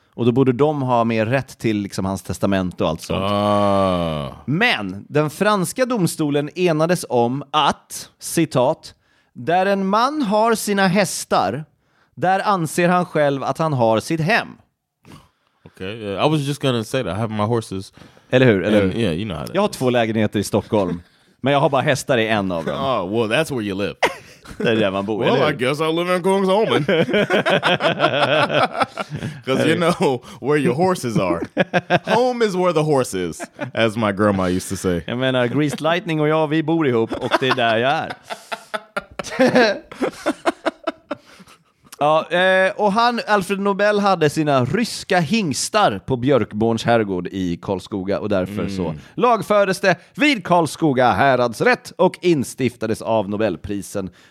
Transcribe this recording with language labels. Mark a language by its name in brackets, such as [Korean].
[Swedish] Och då borde de ha mer rätt till liksom hans testament och allt sånt. Men den franska domstolen enades om att, citat, där en man har sina hästar, där anser han själv att han har sitt hem. [English] Okay, yeah. I was just gonna say that, I have my horses. [Swedish] Eller hur? Eller hur? [English] Yeah, you know how that [Swedish] jag har is. Två lägenheter i Stockholm, men jag har bara hästar i en av dem. [English] Oh, well, that's where you live. [Swedish] Det är där man bor. [English] Well, I guess I live in Kungsholmen. Because you know where your horses are. Home is where the horse is, as my grandma used to say. [Swedish] Jag menar, Greased Lightning och jag, vi bor ihop och det är där jag är. Ja, och han, Alfred Nobel, hade sina ryska hingstar på Björkborns herrgård i Karlskoga. Och därför så lagfördes det vid Karlskoga häradsrätt och instiftades av Nobelprisen.